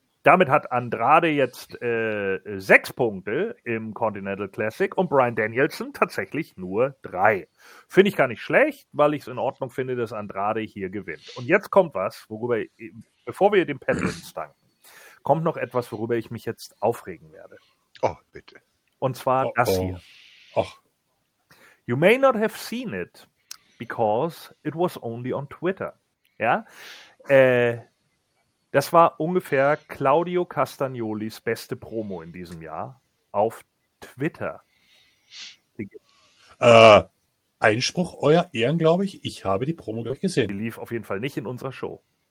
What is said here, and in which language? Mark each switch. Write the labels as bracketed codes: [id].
[de] Damit hat Andrade jetzt 6 Punkte im Continental Classic und Bryan Danielson tatsächlich nur 3. Finde ich gar nicht schlecht, weil ich es in Ordnung finde, dass Andrade hier gewinnt. Und jetzt kommt was, worüber, bevor wir den Patrons danken, kommt noch etwas, worüber ich mich jetzt aufregen werde. Oh, bitte. Und zwar hier. Oh. [en] You may not have seen it, because it was only on Twitter. [de] Ja? Das war ungefähr Claudio Castagnolis beste Promo in diesem Jahr auf Twitter. Einspruch, euer Ehren, glaube ich. Ich habe die Promo gleich gesehen. Die lief auf jeden Fall nicht in unserer Show.